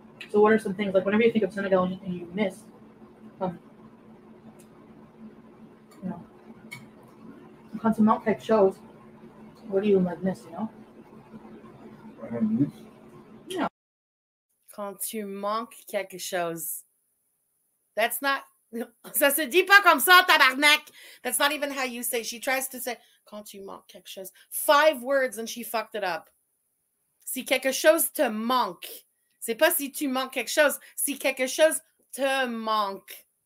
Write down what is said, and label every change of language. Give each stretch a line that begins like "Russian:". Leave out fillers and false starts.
English: So what are some things, like whenever you think of Senegal and you miss, on some mountain type shows, what do you like miss, you know? What I miss? Yeah.
French: Quand tu manques quelque chose.
English: That's not,
French: ça se dit pas comme ça, tabarnak.
English: That's not even how you say. She tries to say,
French: quand tu manques quelque chose.
English: Five words and she fucked it up.
French: Si quelque chose te manque. C'est pas si tu manques quelque chose. Si quelque chose te manque.